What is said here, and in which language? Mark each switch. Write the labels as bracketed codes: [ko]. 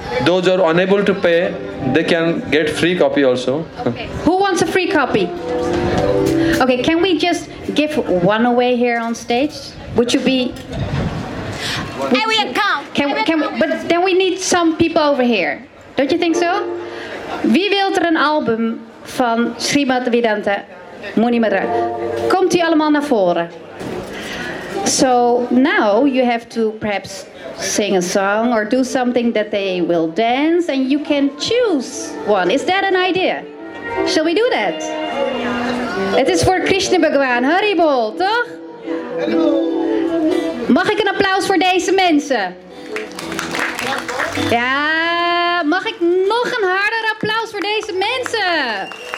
[en] Those who are unable to pay, they can get free copy also. Okay. Who wants a free copy? Okay, can we just give one away here on stage? Would you be... I will come. But then we need some people over here. Don't you think so? [nl] Wie wilt er een album van Srimad Vedanta Muni Madra? Komt u allemaal naar voren? [en] So now you have to perhaps sing a song or do something that they will dance and you can choose one. Is that an idea? Shall we do that? [nl] Het is voor Krishna Bhagwan, Hari Bol, toch? Mag ik een applaus voor deze mensen? Ja, mag ik nog een harder applaus voor deze mensen?